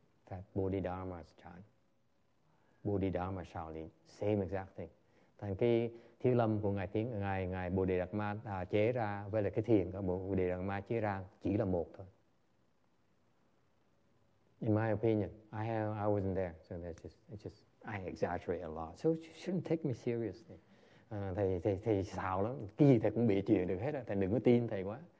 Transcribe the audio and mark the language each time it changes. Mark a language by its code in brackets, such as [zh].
[en] That Bodhidharma's Chan, Bodhidharma Shaolin, same exact thing. [vi] Thành cái thiếu lâm của ngài tiếng ngài ngài Bodhidharma chế ra, với là cái thiền của Bodhidharma chế ra chỉ là một thôi. [en] In my opinion, I wasn't there, so that's just I exaggerate a lot. So you shouldn't take me seriously. [vi] Thầy xạo lắm, cái gì thầy cũng bị chuyện được hết á, thầy đừng có tin thầy quá.